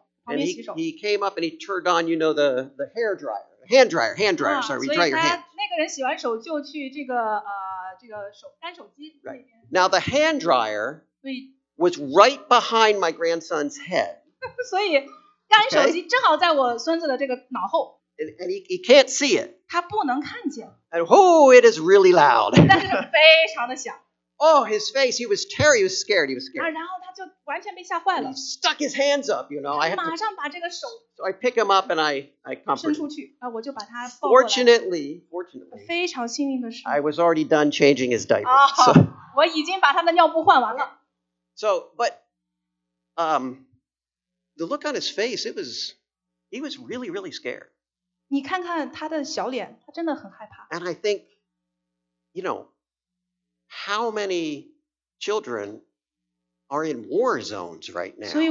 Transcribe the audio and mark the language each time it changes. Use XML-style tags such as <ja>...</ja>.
<en>And he came up and he turned on, you know, the hair dryer. Hand dryer, we dry your hands.</en> <zh>那个人洗完手就去这个手单手机那边。</zh> <en>Right. Now the hand dryer was right behind my grandson's head.</en> <zh>所以干手机正好在我孙子的这个脑后。</zh> <en>And he can't see it.</en> <zh>他不能看见。</zh> <en>And it is really loud.</en> <zh>但是非常的响。</zh> <en>Oh, his face, he was scared.</en> <zh>然后他就完全被吓坏了。</zh> <en>He stuck his hands up, you know. So I pick him up and I comfort him. Fortunately,</en> <zh>非常幸运的是,</zh> <en>I was already done changing his diaper. So,</en> <zh>我已经把他的尿布换完了。</zh> <en>So, but the look on his face, he was really, really scared.</en> <zh>你看看他的小脸, 他真的很害怕。</zh> <en>And I think, you know, how many children are in war zones right now?</en>